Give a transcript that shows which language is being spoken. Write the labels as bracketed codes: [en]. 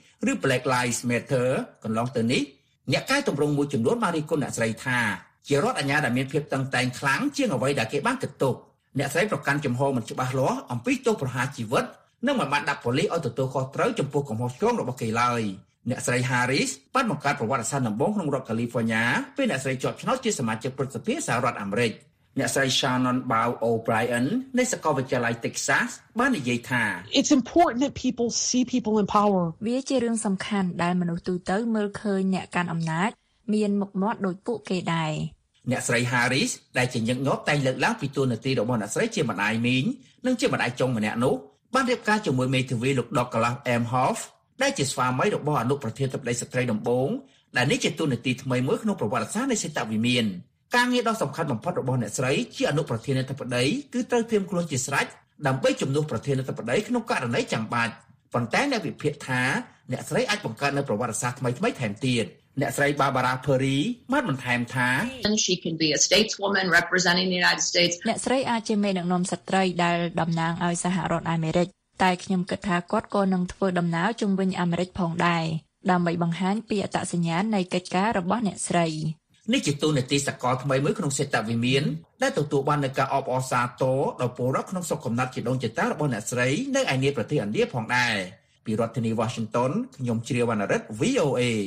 [km] ឬ Black Lives Matter កន្លងទៅនេះអ្នកកែតម្រង់មួយចំនួនបានរិះគន់អ្នកស្រីថាជារដ្ឋអាជ្ញាដែលមានភាពតឹងតែងខ្លាំងជាងអ្វីដែលគេបានគិតទុកអ្នកស្រីប្រកាន់ចំហមិនច្បាស់លាស់អំពីទោសប្រហារជីវិតនិងមិនបានដាក់ប៉ូលីសឲ្យទទួលខុសត្រូវចំពោះកំហុសឆ្គងរបស់គេឡើយអ្នកស្រី Harris បានបង្កើតប្រវត្តិសាស្ត្រដំបូងក្នុងរដ្ឋ California ពេលអ្នកស្រីជាប់ឆ្នោតជាសមាជិកប្រតិភិសសហរដ្ឋអាមេរិក អ្នកស្រី Shannon Bau O'Brien នៃសាកលវិទ្យាល័យ Texas បាននិយាយថា [en] It's important that people see people in power. [km] វាជារឿងសំខាន់ដែលមនុស្សទូទៅមើលឃើញអ្នកកាន់អំណាចមានមុខមាត់ដូចពួកគេដែរ អ្នកស្រី Harris ដែលជាញឹកញាប់តែងលើកឡើងពីទួនាទីរបស់អ្នកស្រីជាម្ដាយមីងនិងជាម្ដាយចុងម្នាក់នោះបានរៀបការជាមួយមេធាវីលោក Douglas M. Hoff ដែលជាស្វាមីរបស់អនុប្រធានទៅប្ដីស្រីដំបូងដែលនេះជាទួនាទីថ្មីមួយក្នុងប្រវត្តិសាស្ត្រនៃសេដ្ឋវិមានការងារដ៏សំខាន់បំផុតរបស់អ្នកស្រីជាអនុប្រធានទៅប្ដីគឺត្រូវធៀបខ្លួនជាស្រេចដើម្បីជំនួសប្រធានទៅប្ដីក្នុងករណីចាំបាច់ប៉ុន្តែអ្នកវិភាគថាអ្នកស្រីអាចបង្កើតនៅប្រវត្តិសាស្ត្រថ្មីថ្មីថែមទៀតអ្នកស្រី Barbara Perry បានបន្ថែមថា [en] She can be a stateswoman representing the United States. [km] អ្នកស្រីអាចជាមេដឹកនាំស្ត្រីដែលតំណាងឲ្យសហរដ្ឋអាមេរិកតែខ្ញុំគិតថាគាត់ក៏នឹងធ្វើដំណើរជុំវិញអាមេរិកផងដែរដើម្បីបង្ហាញពីអត្តសញ្ញាណនៃកិច្ចការរបស់អ្នកស្រី នេះជាទូនាទីសកលថ្មីមួយក្នុងសេដ្ឋវិមានដែលទទួលបាននៃការអបអរសាទរដល់ពលរដ្ឋក្នុងស្រុកកំណត់ជាដងចតារបស់អ្នកស្រីនៅឯនីយប្រទេសឥណ្ឌាផងដែរពីរដ្ឋធានី Washington ខ្ញុំជ្រាវណ្ណរិទ្ធ VOA